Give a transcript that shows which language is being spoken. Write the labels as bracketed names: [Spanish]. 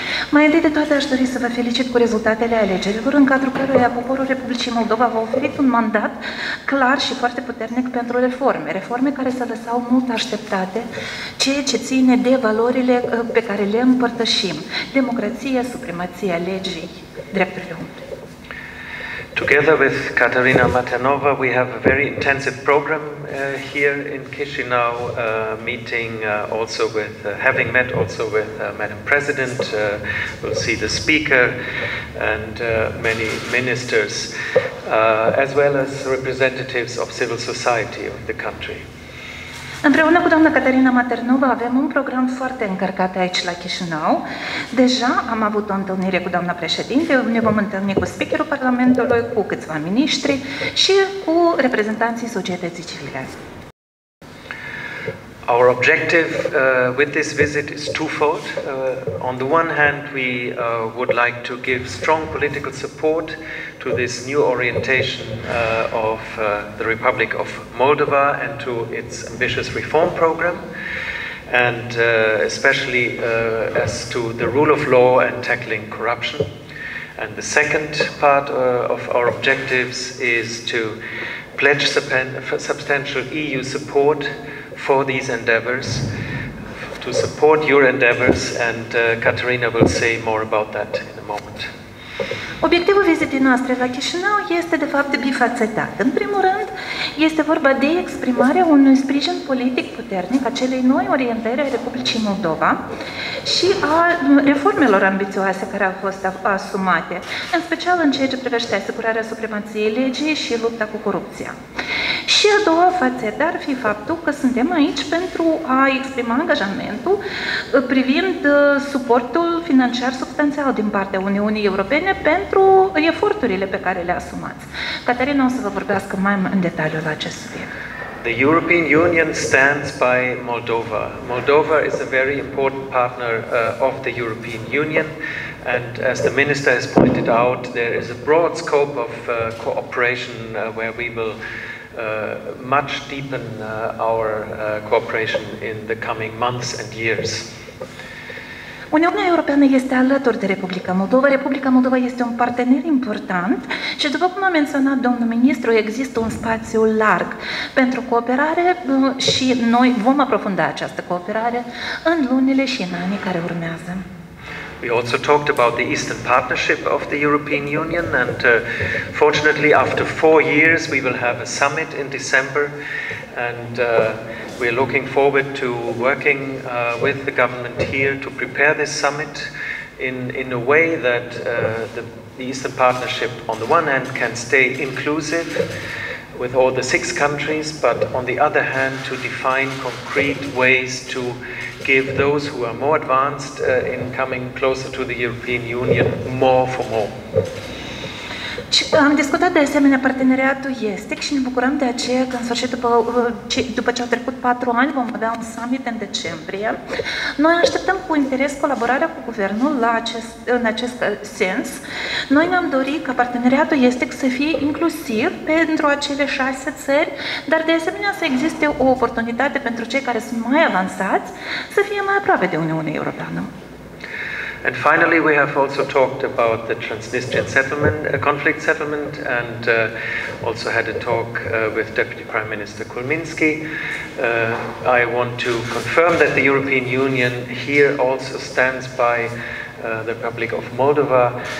[Romanian] Mai întâi de toate aș dori să vă felicit cu rezultatele alegerilor în cadrul căruia poporul Republicii Moldova v-a oferit un mandat clar și foarte puternic pentru reforme. Reforme care se lăsau mult așteptate, ceea ce ține de valorile pe care le împărtășim. Democrație, supremația legii, drepturile omului. [English] Together with Katerina Matanova, we have a very intensive program here in Chișinău, meeting also with, having met also with Madam President, we'll see the speaker and many ministers, as well as representatives of civil society of the country. [Romanian] Împreună cu doamna Katerina Maternova avem un program foarte încărcat aici la Chișinău. Deja am avut o întâlnire cu doamna președinte, ne vom întâlni cu speakerul Parlamentului, cu câțiva miniștri și cu reprezentanții societății civile. [English] Our objective with this visit is twofold. On the one hand, we would like to give strong political support to this new orientation of the Republic of Moldova and to its ambitious reform program, and especially as to the rule of law and tackling corruption. And the second part of our objectives is to pledge substantial EU support for these endeavors, to support your endeavors, and Katerina will say more about that in a moment. [Romanian] Obiectivul vizitei noastre la Chișinău este, de fapt, bifacetat. În primul rând, este vorba de exprimarea unui sprijin politic puternic a celei noi orientări a Republicii Moldova și a reformelor ambițioase care au fost asumate, în special în ceea ce privește asigurarea supremației legii și lupta cu corupția. Și a doua fațetă ar fi faptul că suntem aici pentru a exprima angajamentul privind suportul financiar substanțial din partea Uniunii Europene pentru eforturile pe care le asumați. Katerina o să vă vorbească mai în detaliu la acest subiect. [English] The European Union stands by Moldova. Moldova is a very important partner of the European Union. And as the minister has pointed out, there is a broad scope of cooperation where we will much deepen our cooperation in the coming months and years. [Romanian] Uniunea Europeană este alături de Republica Moldova. Republica Moldova este un partener important și, după cum a menționat domnul ministru, există un spațiu larg pentru cooperare și noi vom aprofunda această cooperare în lunile și în anii care urmează. [English] We also talked about the Eastern Partnership of the European Union, and fortunately, after 4 years, we will have a summit in December, and we're looking forward to working with the government here to prepare this summit in a way that the Eastern Partnership, on the one hand, can stay inclusive with all the six countries, but on the other hand, to define concrete ways to give those who are more advanced in coming closer to the European Union more for more. [Romanian] Am discutat de asemenea parteneriatul estic și ne bucurăm de aceea că, în sfârșit, după ce au trecut 4 ani, vom avea un summit în decembrie. Noi așteptăm cu interes colaborarea cu guvernul în acest sens. Noi ne-am dorit ca parteneriatul estic să fie inclusiv pentru acele 6 țări, dar de asemenea să existe o oportunitate pentru cei care sunt mai avansați să fie mai aproape de Uniunea Europeană. [English] And finally, we have also talked about the Transnistrian settlement, conflict settlement, and also had a talk with Deputy Prime Minister Kulminski. I want to confirm that the European Union here also stands by the Republic of Moldova.